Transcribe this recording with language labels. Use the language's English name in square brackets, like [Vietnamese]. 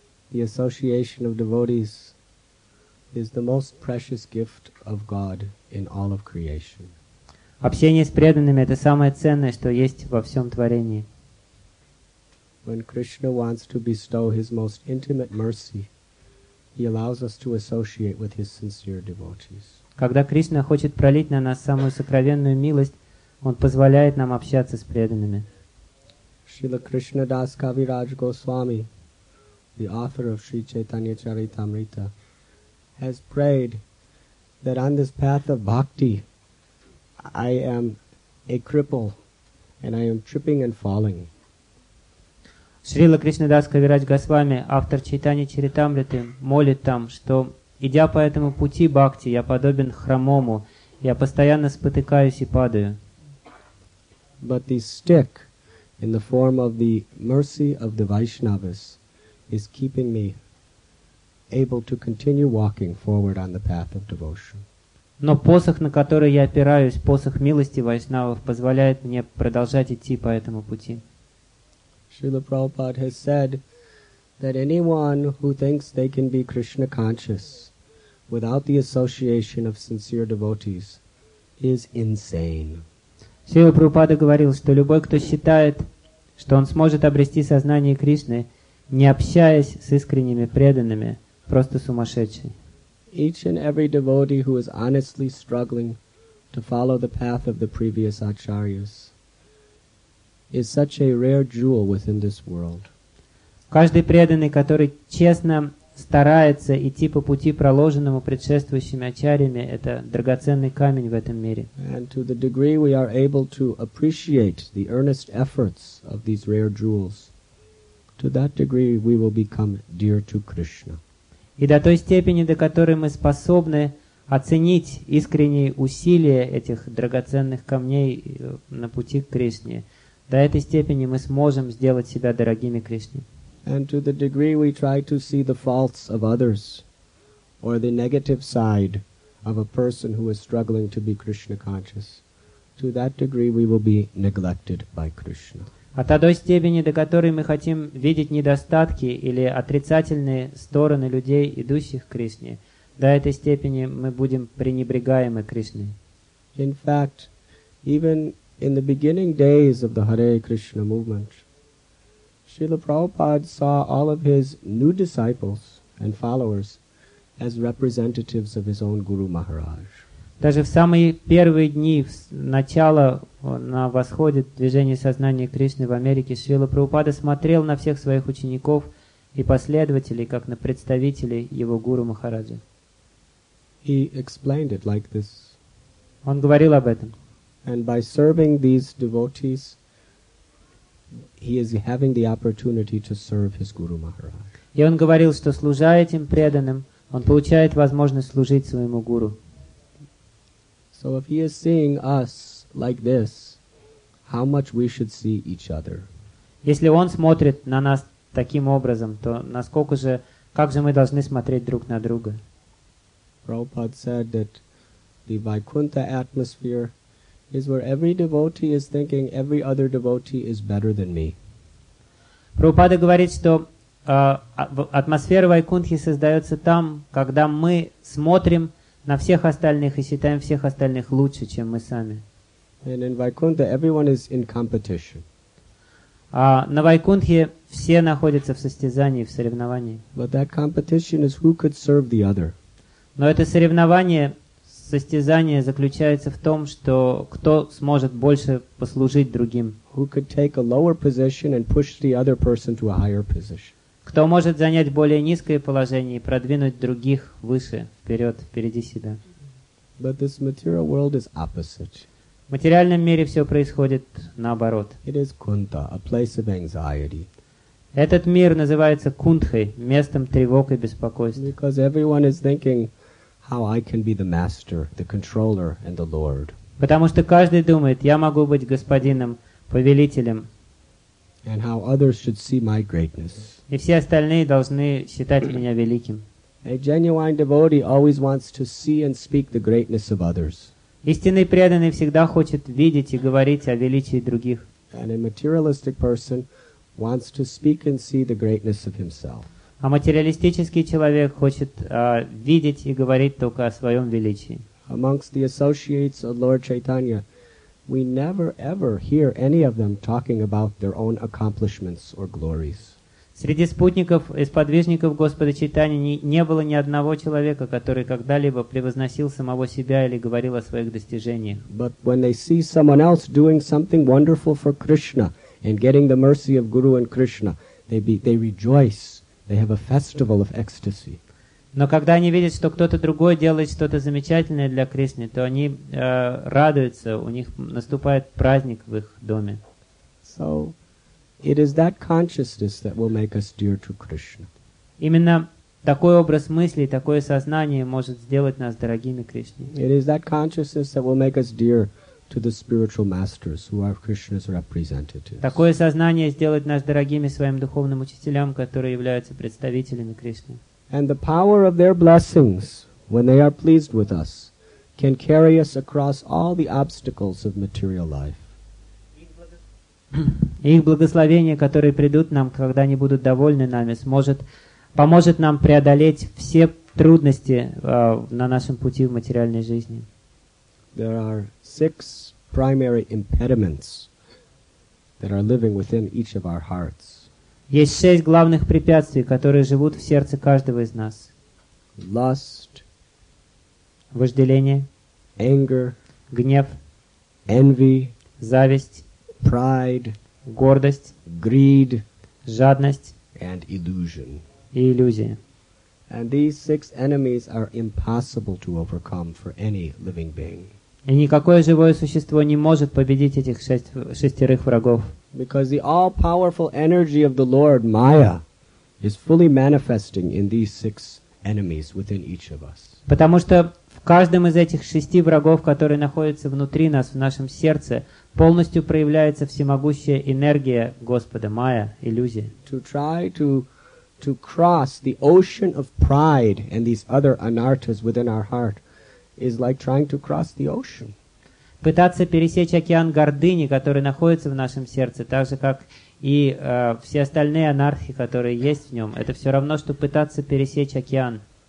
[English] The association of devotees is the most precious gift of God in all of creation. [Russian] Общение с преданными — это самое ценное, что есть во всем творении. [English] When Krishna wants to bestow his most intimate mercy, he allows us to associate with his sincere devotees. [Russian] Когда Кришна хочет пролить на нас самую сокровенную милость, Он позволяет нам общаться с преданными. [English] Шрила Кришна Дас Кавирадж Госвами, the author of Sri Chaitanya Charitamrita, has prayed that on this path of bhakti, I am a cripple and I am tripping and falling. [Russian] Шрила Кришна Дас Кавирадж Госвами, автор Чайтани Чаритамриты, молит там, что, идя по этому пути бхакти, я подобен хромому, я постоянно спотыкаюсь и падаю. [English] But the stick, in the form of the mercy of the Vaishnavas, is keeping me able to continue walking forward on the path of devotion. [Russian] Но посох, на который я опираюсь, посох милости Вайшнавов, позволяет мне продолжать идти по этому пути. [English] Srila Prabhupada has said that anyone who thinks they can be Krishna conscious without the association of sincere devotees is insane. [Russian] Шрила Прабхупада говорил, что любой, кто считает, что он сможет обрести сознание Кришны, не общаясь с искренними преданными, просто сумасшедший. [English] Each and every devotee who is honestly struggling to follow the path of the previous acharyas is such a rare jewel within this world. [Russian] Каждый преданный, который честно старается идти по пути, проложенному предшествующими ачарьями, это драгоценный камень в этом мире. [English] And to the degree we are able to appreciate the earnest efforts of these rare jewels, to that degree we will become dear to Krishna. [Russian] И до той степени, до которой мы способны оценить искренние усилия этих драгоценных камней на пути к Кришне, до этой степени мы сможем сделать себя дорогими Кришне. [English] And to the degree we try to see the faults of others or the negative side of a person who is struggling to be Krishna conscious, to that degree we will be neglected by Krishna. [Russian] А та до степени, до которой мы хотим видеть недостатки или отрицательные стороны людей, идущих к Кришне, до этой степени мы будем пренебрегаемы Кришной. [English] In fact, even in the beginning days of the Hare Krishna movement, Srila Prabhupada saw all of his new disciples and followers as representatives of his own Guru Maharaj. [Russian] Даже в самые первые дни начала на восходе движения сознания Кришны в Америке, Шрила Прабхупада смотрел на всех своих учеников и последователей как на представителей его Гуру Махараджа. [English] He explained it like this. [Russian] Он говорил об этом. [English] And by serving these devotees, he is having the opportunity to serve his Guru Maharaj. [Russian] И он говорил, что служа этим преданным, он получает возможность служить своему гуру. [English] So if he is seeing us like this, how much we should see each other. [Russian] Если он смотрит на нас таким образом, то насколько же, как же мы должны смотреть друг на друга? [English] Prabhupada said that the Vaikuntha atmosphere is where every devotee is thinking every other devotee is better than me. [Russian] Прабхупада говорит, что атмосфера Вайкунтхи создается там, когда мы смотрим на всех остальных и считаем всех остальных лучше, чем мы сами. [English] And in Vaikuntha, everyone is in competition. [Russian] На Вайкунтхе Все находятся в состязании, в соревновании. [English] But that competition is who could serve the other. [Russian] Но это соревнование, состязание заключается в том, что кто сможет больше послужить другим. [English] Who could take a lower position and push the other person to a higher position. [Russian] Кто может занять более низкое положение и продвинуть других выше, вперед, впереди себя. [English] But this material world is opposite. [Russian] В материальном мире все происходит наоборот. [English] It is kunta, a place of anxiety. [Russian] Этот мир называется кунтхой, местом тревог и беспокойств. [English] Because everyone is thinking how I can be the master, the controller, and the lord. [Russian] Потому что каждый думает, я могу быть господином, повелителем. [English] And how others should see my greatness. [Russian] И все остальные должны считать меня великим. [English] A genuine devotee always wants to see and speak the greatness of others. [Russian] Истинный преданный всегда хочет видеть и говорить о величии других. [English] And a materialistic person wants to speak and see the greatness of himself. [Russian] А материалистический человек хочет видеть и говорить только о своем величии. [English] Amongst the associates of Lord Chaitanya, we never ever hear any of them talking about their own accomplishments or glories. [Russian] Среди спутников и сподвижников Господа Чайтаньи не было ни одного человека, который когда-либо превозносил самого себя или говорил о своих достижениях. [English] But when they see someone else doing something wonderful for Krishna and getting the mercy of Guru and Krishna, they rejoice. They have a festival of ecstasy. [Russian] Но когда они видят, что кто-то другой делает что-то замечательное для Кришны, то они радуются, у них наступает праздник в их доме. [English] So, it is that consciousness that will make us dear to Krishna. [Russian] Именно такой образ мыслей, такое сознание может сделать нас дорогими Кришне. [English] It is that consciousness that will make us dear to the spiritual masters who are Krishna's representatives. [Russian] Такое сознание сделает нас дорогими своим духовным учителям, которые являются представителями Кришны. [English] And the power of their blessings, when they are pleased with us, can carry us across all the obstacles of material life. [Russian] Их благословение, которые придут нам, когда они будут довольны нами, сможет поможет нам преодолеть все трудности на нашем пути в материальной жизни. [English] There are six primary impediments that are living within each of our hearts. [Russian] Есть шесть главных препятствий, которые живут в сердце каждого из нас. [English] Lust, [Russian] вожделение, [English] anger, [Russian] гнев, [English] envy, [Russian] зависть, [English] pride, [Russian] гордость, [English] greed, [Russian] жадность [English] and illusion. [Russian] И иллюзия. [English] And these six enemies are impossible to overcome for any living being. [Russian] И никакое живое существо не может победить этих шестерых врагов. [English] Because the all-powerful energy of the Lord, Maya, is fully manifesting in these six enemies within each of us. [Russian] Потому что в каждом из этих шести врагов, которые находятся внутри нас, в нашем сердце, полностью проявляется всемогущая энергия Господа, Maya, иллюзия. [English] To try to cross the ocean of pride and these other anarthas within our heart is like trying to cross the ocean. [Russian] Пытаться пересечь океан гордыни, который находится в нашем сердце, так же, как и все остальные анархи, которые есть в нем, это все равно, что пытаться пересечь океан.